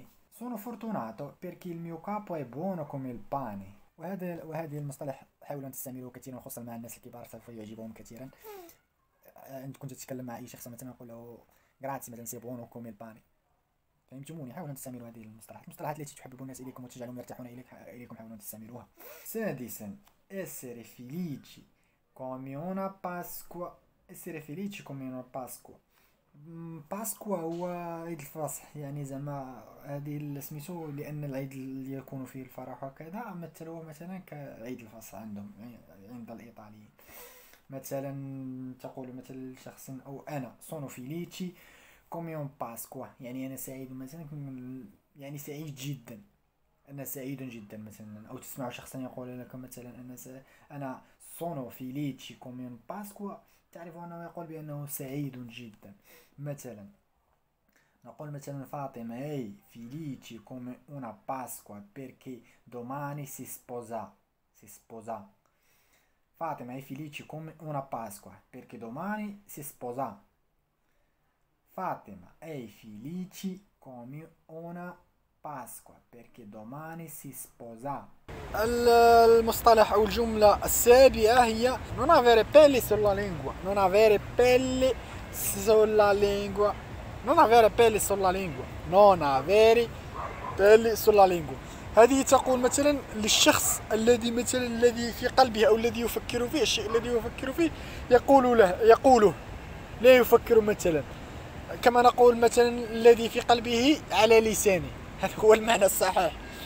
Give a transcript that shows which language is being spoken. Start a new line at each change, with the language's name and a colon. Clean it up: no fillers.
Italian: Sono fortunato perché il mio capo è buono come il pane.
Arabic: وهذه المصطلح حاولوا ان تستعملوه كثيرا، خصوصا مع الناس الكبار سوف يعجبهم كثيرا. انت كنت تتكلم مع اي شخص مثلا اقول له غراتسي مثلا
Italian: سي بونو كومي الباني،
Arabic: فهمتموني؟ حاولوا ان تستعملوا هذه المصطلحات التي تحببون الناس اليكم وتجعلهم يرتاحون اليكم، حاولوا ان تستعملوها. سادسا،
Italian: essere felici come una Pasqua. essere felici come una Pasqua.
Arabic: باسكوا هو عيد الفصح، يعني زعما هذه اللي سميتو لان العيد اللي يكون فيه الفرح وكذا، مثلوه مثلا كعيد الفصح عندهم عند الايطاليين. مثلا تقول مثلا شخص او انا
Italian: سونو فيليتشي كوميون باسكوا،
Arabic: يعني انا سعيد مثلا، يعني سعيد جدا، انا سعيد جدا مثلا. او تسمع شخصا يقول لك مثلا انا
Italian: سونو فيليتشي كوميون باسكوا،
Arabic: تعرف انه يقول بانه سعيد جدا. مثلا نقول مثلا
Italian: فاطمه اي فيليتشي كومي اونا باسكوا بيركي دوماني سي سبوزا. سي سبوزا فاطمه اي فيليتشي كومي اونا باسكوا بيركي دوماني سي سبوزا. فاطمه اي فيليتشي كومي اونا Pasqua perché domani si sposa.
Arabic: المصطلح او الجمله السابعه هي
Italian: non avere pelle sulla lingua. non avere pelle sulla lingua. non avere pelle sulla lingua. non avere pelle sulla lingua.
Arabic: هذه تقول مثلا للشخص الذي مثلا الذي في قلبه او الذي يفكر فيه، الشيء الذي يفكر فيه يقول له، يقوله لا يفكر. مثلا كما نقول مثلا الذي في قلبه على لسانه، هذا هو المعنى الصحيح.